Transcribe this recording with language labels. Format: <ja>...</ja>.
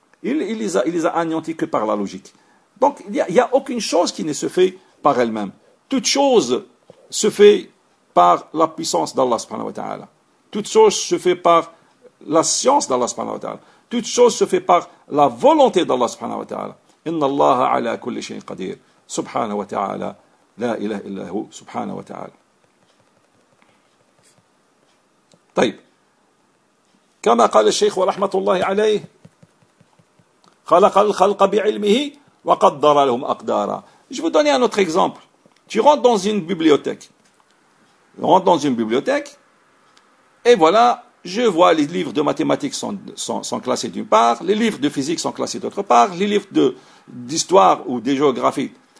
<fr>Il les a anéantis que par la logique. Donc, il n'y a aucune chose qui ne se fait par elle-même. Toute chose se fait par la puissance d'Allah subhanahu wa ta'ala. Toute chose se fait par la science d'Allah subhanahu wa ta'ala. Toute chose se fait par la volonté d'Allah subhanahu wa ta'ala.</fr> <ar>Inna Allaha ala kulli shay'in qadir. Subhanahu wa ta'ala. لا إله إلا هو سبحانه وتعالى. طيب كما قال الشيخ ورحمة الله عليه خلق الخلق بعلمه وقدر لهم أقدارا.</ar> <fr>Je vous donner un autre exemple. Tu rentres dans une bibliothèque. Tu rentres dans une bibliothèque et voilà, je vois les livres de mathématiques sont classés d'une part, les livres de physique sont classés d'autre part, les livres d'histoire ou de géographie.</fr>